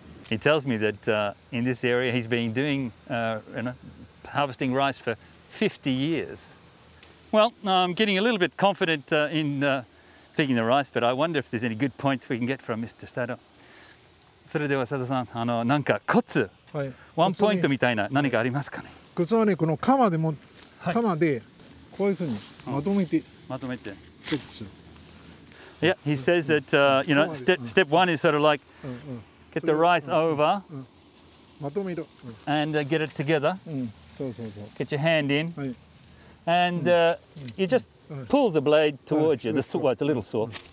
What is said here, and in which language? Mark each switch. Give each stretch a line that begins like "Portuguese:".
English: He tells me that in this area he's been doing harvesting rice for 50 years. Well, I'm getting a little bit confident in speaking the rice, but I wonder if there's any good points we can get from Mr. Sato.
Japanese: それではサトさん、 なんかコツ、 ワンポイントみたいな何かありますかね? コツはね、この鎌でも、 鎌でこういうふうにまとめて、まとめて。
English: Yeah, he says that, you know, step one is sort of like get the rice over
Japanese: まとめろ
English: and get it together.
Japanese: そうそうそう。
English: Get your hand in and you just pull the blade towards you. The saw, well, it's a little saw.